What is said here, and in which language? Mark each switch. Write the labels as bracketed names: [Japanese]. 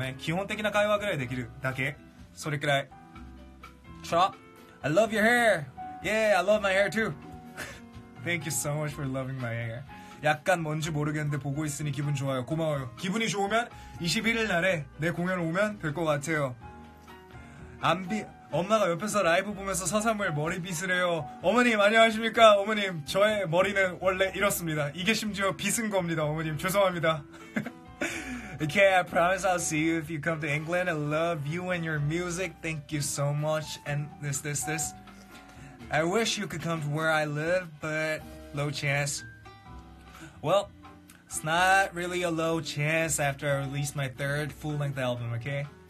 [Japanese] でももう20年も前のことだからもうほとんど忘れちゃったんですけどね基本的な会話ぐらいできるだけそれくらい [English] Chop I love your hair Yeah, I love my hair too Thank you so much for loving my hair [Korean] 약간 뭔지 모르겠는데 보고 있으니 기분 좋아요 고마워요 기분이 좋으면 21일 날에 내 공연 오면 될 것 같아요 안비 엄마가 옆에서 라이브 보면서 서사무엘 머리 빗으래요 어머님 안녕하십니까 어머님 저의 머리는 원래 이렇습니다 이게 심지어 빗은 겁니다 어머님 죄송합니다 [English] Okay, I promise I'll see you if you come to England I love you and your music Thank you so much And this I wish you could come to where I live But low chance Well, it's not really a low chance After I release my third full-length album, okay?